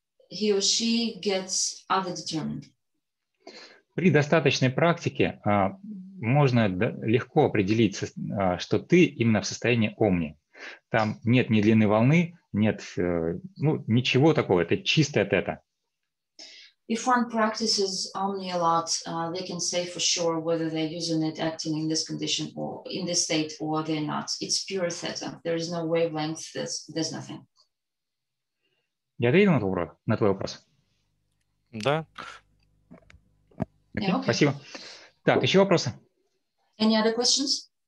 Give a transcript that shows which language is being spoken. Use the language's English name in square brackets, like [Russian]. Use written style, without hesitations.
[English] He or she gets other determined. [Russian] При достаточной практике можно легко определить, что ты именно в состоянии омни. Там нет ни длины волны, нет ничего такого, это чистое тета. [English] If one practices omni a lot, they can say for sure whether they're using it acting in this condition or in this state or they're not. It's pure theta. There is no wavelength, there's nothing. [Russian] Я ответил на твой вопрос? Да. [English] Okay. Yeah, okay. [Russian] Спасибо. Так, еще вопросы? [English] Any other questions?